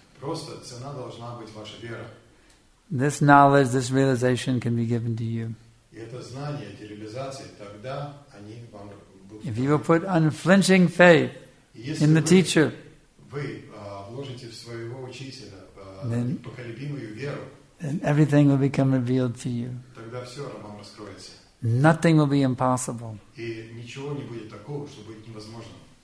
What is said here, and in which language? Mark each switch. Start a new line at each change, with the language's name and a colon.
Russian: Просто цена должна быть ваша вера.
English: This knowledge, this realization can be given to you.
Russian: И это знание, эти реализации, тогда они вам будут.
English: If you will put unflinching faith in the teacher,
Russian: вы вложите в своего учителя непоколебимую веру,
English: then everything will become revealed to you.
Russian: Тогда все вам раскроется.
English: Nothing will be impossible.
Russian: И ничего не будет такого, что будет невозможным.